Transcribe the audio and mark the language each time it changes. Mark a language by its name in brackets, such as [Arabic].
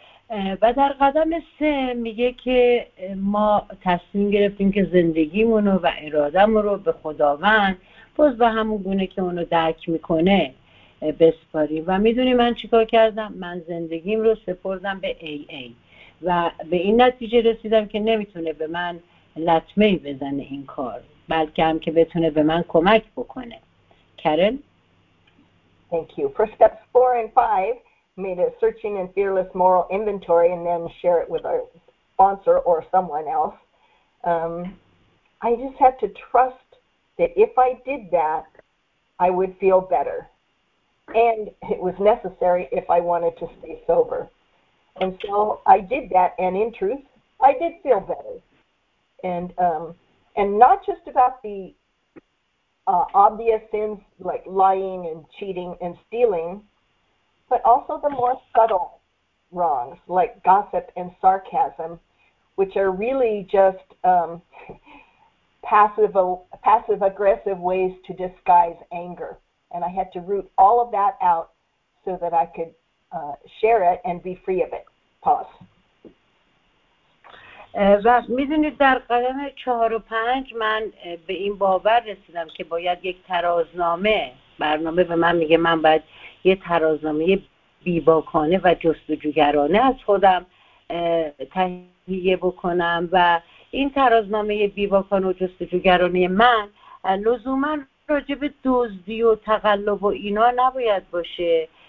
[Persian] و در قدم سه میگه که ما تصمیم گرفتیم که زندگیمونو و ارادمون رو به خداوند باز به همون گونه که اونو درک میکنه بسپاریم و میدونی من چیکار کردم؟ من زندگیم رو سپردم به AA و به این نتیجه رسیدم که نمیتونه به من لطمه بزنه این کار، بلکه هم که بتونه به من کمک بکنه. کارن؟ [English] Thank you. For steps 4 and 5 made a searching and fearless moral inventory and then share it with our sponsor or someone else. I just had to trust that if I did that, I would feel better. And it was necessary if I wanted to stay sober. And so I did that, and in truth, I did feel better. And not just about the obvious sins like lying and cheating and stealing, but also the more subtle wrongs, like gossip and sarcasm, which are really just passive-aggressive ways to disguise anger. And I had to root all of that out so that I could share it and be free of it. Pause. [Persian] و میدونید در قدم چهار و پنج من به این باور رسیدم که باید یک ترازنامه برنامه به من میگه من باید یه ترازنامه بیباکانه و جستجوگرانه از خودم تهیه بکنم و این ترازنامه بیباکانه و جستجوگرانه من لزوما راجب دزدی و تقلب و اینا نباید باشه